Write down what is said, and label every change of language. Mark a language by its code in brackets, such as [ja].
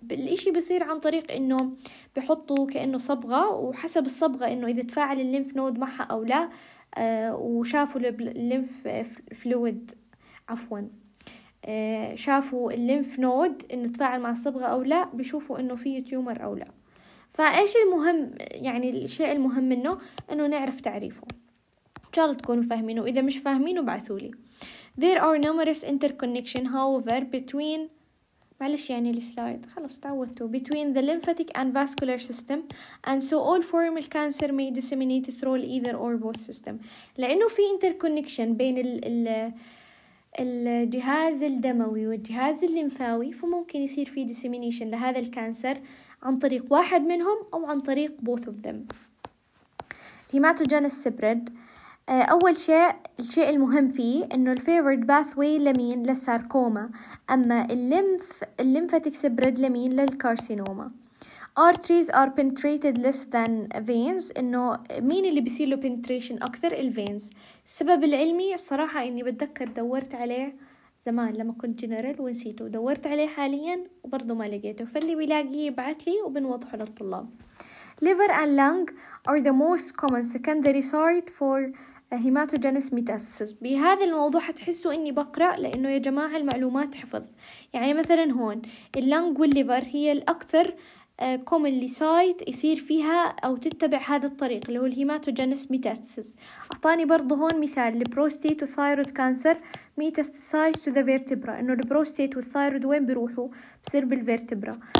[ar] الاشي بصير عن طريق انه بحطوا كأنه صبغة، وحسب الصبغة انه اذا تفاعل الليمف نود معها او لا، وشافوا الليمف فلويد عفوا شافوا الليمف نود انه تفاعل مع الصبغة او لا، بشوفوا انه فيه تيومر او لا. فايش المهم، يعني الشيء المهم انه نعرف تعريفه. ان شاء الله تكونوا فاهمينه، اذا مش فاهمينه بعثولي. [en] There are numerous interconnection however between [ar] معلش يعني السلايد خلص تعودتوا. [en] Between the lymphatic and vascular system and so all form of cancer may disseminate through either or both system. [ar] لأنه في interconnection بين الجهاز الدموي والجهاز الليمفاوي، فممكن يصير في dissemination لهذا الكانسر عن طريق واحد منهم أو عن طريق [en] both of them. Hematogenous spread. [ar] أول شيء، الشيء المهم فيه أنه الفيفورد باثوي لمين؟ للساركوما. أما الليمفاتيك سبريد لمين؟ للكارسينوما. [en] Arteries are penetrated less than veins. [ar] أنه مين اللي بيصير له penetration أكثر؟ الفينز. السبب العلمي الصراحة أني بتذكر دورت عليه زمان لما كنت جنرال ونسيته، دورت عليه حاليا وبرضه ما لقيته، فاللي بيلاقيه يبعث لي وبنوضحه للطلاب. [en] Liver and lung are the most common secondary site for hematogenous metastasis. [ar] بهذا الموضوع هتحسوا اني بقرأ، لانه يا جماعة المعلومات حفظ. يعني مثلا هون اللنج والليفر هي الاكثر [en] commonly site [ar] يصير فيها او تتبع هذا الطريق اللي هو الهيماتوجينس ميتاستاسيس. اعطاني برضو هون مثال البروستيت والثايرويد كانسر ميتاستاسايز تو ذا فيرتبرا، انه البروستيت والثايرويد وين بيروحوا؟ بصير بالفيرتبرا.